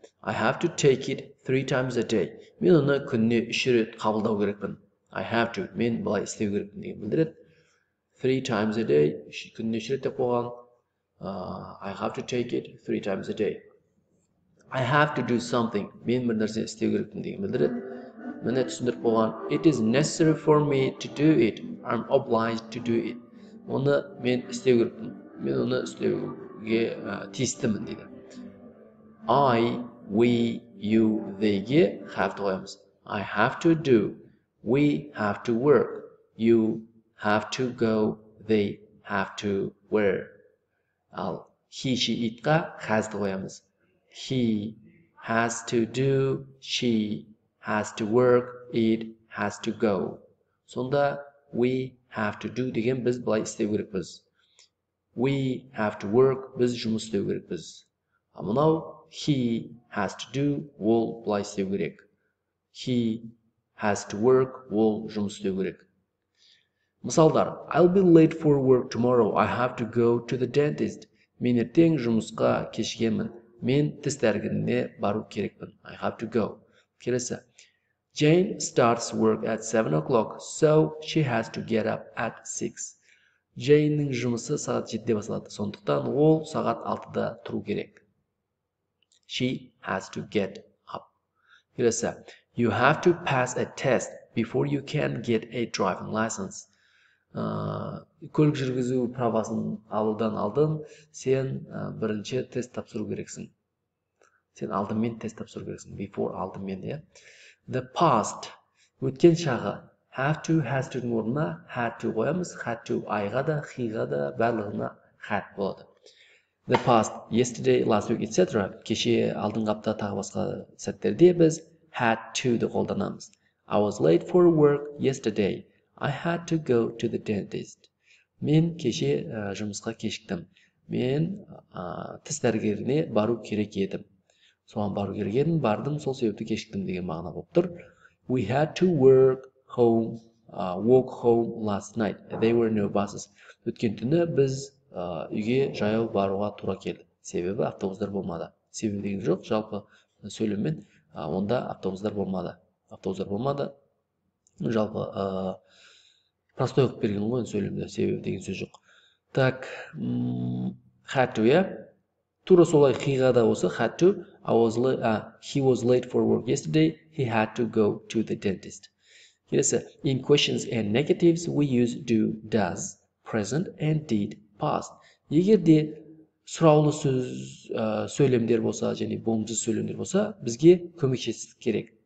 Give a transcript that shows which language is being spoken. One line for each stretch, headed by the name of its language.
English: I have to take it 3 times a day.
Kazakh: Мен оны күніне 3 рет қабылдау керекпін.
English: I have to.
Kazakh: Мен былай істеу керекпін деген білдіреді.
English: 3 times a day.
Kazakh: Күніне 3 рет деп қойған.
English: I have to take it 3 times a day. I have to do something.
Kazakh: Мен бір нәрсе істеу керекпін деген білдіреді. Міне түсіндіріп болған.
English: It is necessary for me to do it. I'm obliged to do it.
Kazakh: Оны мен істеу керекпін. Мен оны істеуге тиістімін дейді.
English: I, we, you, they-
Kazakh: ге have to қоямыз.
English: I have to do. We have to work. You have to go. They have to wear.
Kazakh: Ал
English: he, she, it-қа has to
Kazakh: қоямыз.
English: He has to do, she has to work, it has to go.
Kazakh: Сонда
English: we have to do
Kazakh: деген біз былай істеу керекпіз.
English: We have to work,
Kazakh: біз жұмыс істеу керекпіз. Ал мынау
English: he has to do,
Kazakh: ол былай істеу керек.
English: He has to work,
Kazakh: ол жұмыс істеу керек. Мысалдар.
English: I'll be late for work tomorrow. I have to go to the dentist.
Kazakh: Мен ертең жұмысқа кешігемін. Мен тіс дәрігеріне бару керекпін.
English: I have to go.
Kazakh: Келесі.
English: Jane starts work at 7 o'clock, so she has to get up at 6.
Kazakh: Jane-нің жұмысы сағат 7-де басталады, сондықтан ол сағат 6-да тұру керек.
English: She has to get up.
Kazakh: Келесі.
English: You have to pass a test before you can get a driving license.
Kazakh: Көлік жүргізу правасын алудан алдын, сен бірінші тест тапсыру керексің. Сен алдымен тест тапсыру керексің. Before алдымен, иә.
English: The past.
Kazakh: Өткен шағы. Have to, has to орнына had to қоямыз. Had to айға да, хиға да, барлығына had болады.
English: The past. Yesterday, last week, etc.
Kazakh: Кеше алдыңғы апта тағы басқа сәттерде біз had to-ді қолданамыз.
English: I was late for work yesterday. I had to go to the dentist.
Kazakh: Мен кеше жұмысқа кешіктім. Мен тіс дәрігеріне бару керек едім. Соған бару керек едім, бардым, сол себепті кешіктім деген мағына болып тұр.
English: We had to walk home last night. There were no buses.
Kazakh: Өткен түні біз үйге жаяу баруға тура келді. Себебі автобустар болмады. Себебі деген жоқ, жалпы сөйлеммен онда автобустар болмады. Автобустар болмады. Жалпы простой оқып берген ғой сөйлемде, себебі деген сөз жоқ.
Russian: Так,
English: had to, yeah?
Kazakh: Тура солай хиға да осы, had to.
English: He was late for work yesterday. He had to go to the dentist. Келесі, in questions and negatives, we use do, does, present and did, past.
Kazakh: Егер де сұраулы сөз сөйлемдер болса, және болымсыз сөйлемдер болса, бізге көмекшесі керек.